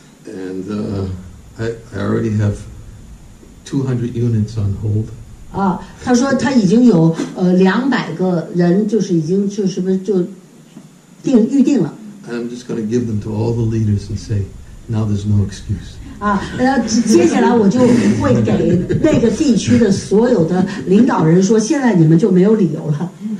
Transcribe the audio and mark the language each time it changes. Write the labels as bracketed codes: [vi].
[en] And I already have 200 units on hold. [zh] 啊，他说他已经有200个人，就是已经就什么就预定了。 [en] I'm just going to give them to all the leaders and say, now there's no excuse. [zh] 啊，接下来我就会给那个地区的所有的领导人说，现在你们就没有理由了。